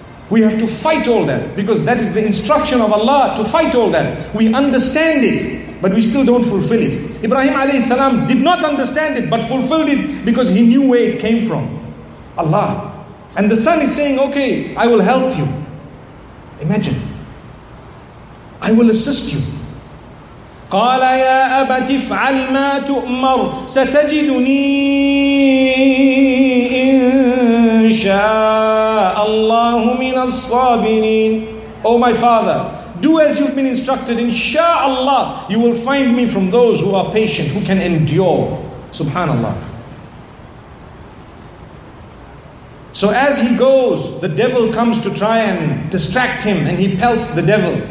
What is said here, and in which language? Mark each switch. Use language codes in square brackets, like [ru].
[en] We have to fight all that because that is the instruction of Allah to fight all that. We understand it, but we still don't fulfill it. Ibrahim alayhi salam did not understand it, but fulfilled it because he knew where it came from. Allah. And the son is saying, okay, I will help you. Imagine. I will assist you. [ar] قال يا أبت افعل ما تؤمر ستجدني إن شاء الله من الصابرين. [en] Oh my father, do as you've been instructed. Inshallah, you will find me from those who are patient, who can endure. Subhanallah. So as he goes, the devil comes to try and distract him, and he pelts the devil.